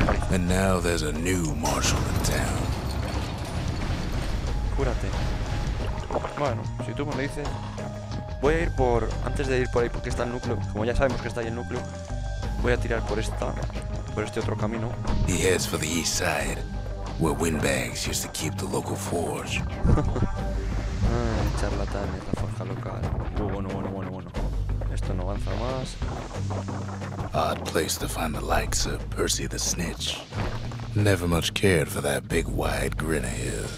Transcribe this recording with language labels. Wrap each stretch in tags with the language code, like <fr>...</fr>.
<en>And now there's a new marshal in town.</en> <es>Cúrate. Bueno, si tú me lo dices, voy a ir por. Antes de ir por ahí, porque está el núcleo. Como ya sabemos que está ahí el núcleo. Voy a tirar por esta, por este otro camino.</es> <en>He heads for the east side, where windbags used to keep the local forge.</en> <es>Ay, charlatán, la forja local. Bueno. Esto no avanza más.</es> <en>Odd place to find the likes of Percy the Snitch. Never much cared for that big wide grin of his.</en>